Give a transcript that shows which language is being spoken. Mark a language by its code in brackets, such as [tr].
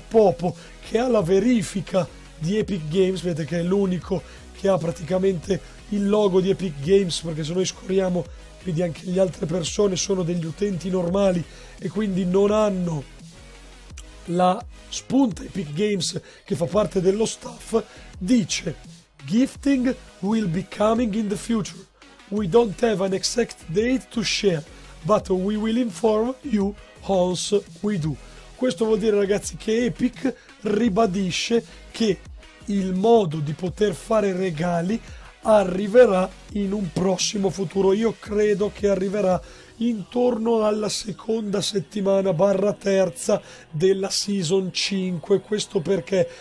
[it] Popo, che ha la verifica di Epic Games, vedete che è l'unico che ha praticamente il logo di Epic Games, perché se noi scorriamo, vedi, anche le altre persone sono degli utenti normali e quindi non hanno la spunta Epic Games che fa parte dello staff. Dice: [en] gifting will be coming in the future, we don't have an exact date to share, but we will inform you once we do. [it] Questo vuol dire, ragazzi, che Epic ribadisce che il modo di poter fare regali arriverà in un prossimo futuro. Io credo che arriverà intorno alla seconda settimana barra terza della season 5. Questo perché?